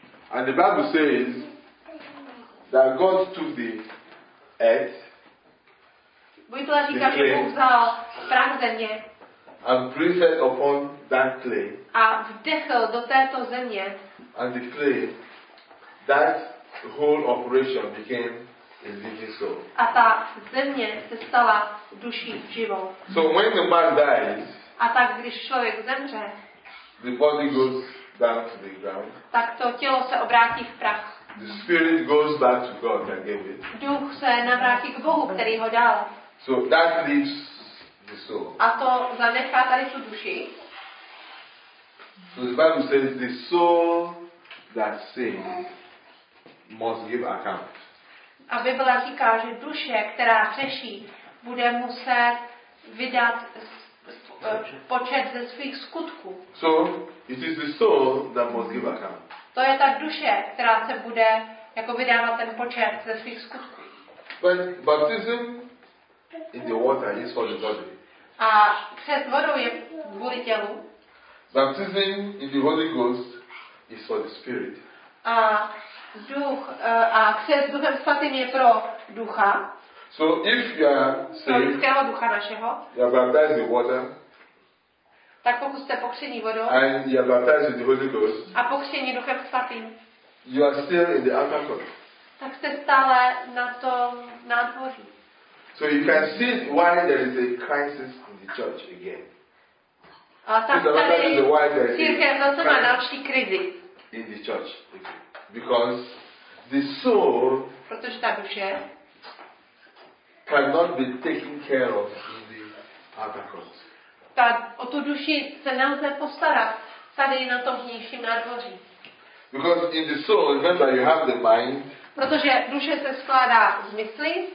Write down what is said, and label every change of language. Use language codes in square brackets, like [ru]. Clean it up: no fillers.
[en] And the Bible says that God took the earth. [cs] Bible říká, že Bůh vzal prach země. [en] And breathed upon that clay. [cs] A vdechl do této země. [en] And the clay, that whole operation became a living soul. [cs] A ta země se stala duší živou. [en] So when the man dies, [cs] a tak když člověk zemře, [en] the body goes down to the ground. [cs] Tak to tělo se obrátí v prach. [en] The spirit goes back to God that gave it. [cs] Duch se navrátí k Bohu, který ho dal. [en] So that leaves the soul. [cs] A to zanechá tady tu duši. [en] So the Bible says the soul that sins must give account. [cs] A Bible říká, že duše, která hřeší, bude muset vydat počet ze svých skutků. [en] So it is the soul that must give account. [cs] To je ta duše, která se bude jako vydávat ten počet ze svých skutků. [en] But baptism in the water is for the body. [cs] A křest vodou je kvůli tělu. [en] Baptism in the Holy Ghost is for the spirit. [cs] A duch a křest Duchem svatým je pro ducha. [en] So if you are saved, [cs] pro lidského ducha našeho. [en] You are baptized in water. [cs] Tak pokud jste pokřtěni vodou. [en] And you are baptized in the Holy Ghost. [cs] A pokřtěni Duchem svatým. [en] You are still in the outer court. [cs] Tak jste stále na tom nádvoří. [en] So you can see why there is a crisis in the church again. [cs] A tak tady církev zase má další krizi. [en] In the church again. Because the soul, [cs] protože ta duše, [en] cannot be taken care of in the outer court. [cs] Tak o tu duši se nelze postarat tady na tom vnějším nádvoří. [en] Because in the soul, remember, you have the mind, [cs] protože duše se skládá z mysli,